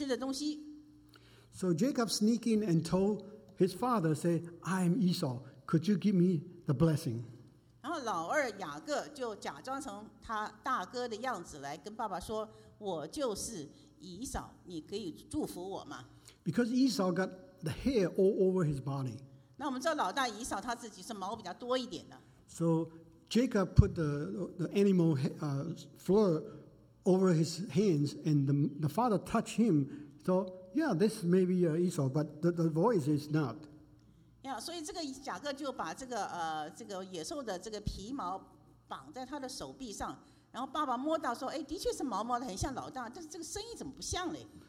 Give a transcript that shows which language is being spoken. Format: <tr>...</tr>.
<zh>这个妈妈就跟这个老二雅各，他们就是定了一个计，然后妈妈就准备一些好吃的东西。So</zh> <en>Jacob sneaked in and told his father, "Say, I am Esau. Could you give me the blessing?"</en> <zh>然后老二雅各就假装成他大哥的样子来跟爸爸说，我就是以扫，你可以祝福我吗？Because</zh> <en>Esau got the hair all over his body.</en> <zh>那我们知道老大以扫他自己是毛比较多一点的。So</zh> <en>Jacob put the animal fur over his hands, and the father touched him. So, yeah, this may be Esau, but the voice is not. Yeah, so this Jacob</en> <zh>就把这个野兽的这个皮毛绑在他的手臂上，然后爸爸摸到说，哎，的确是毛毛的，很像老大，但是这个声音怎么不像嘞？</zh>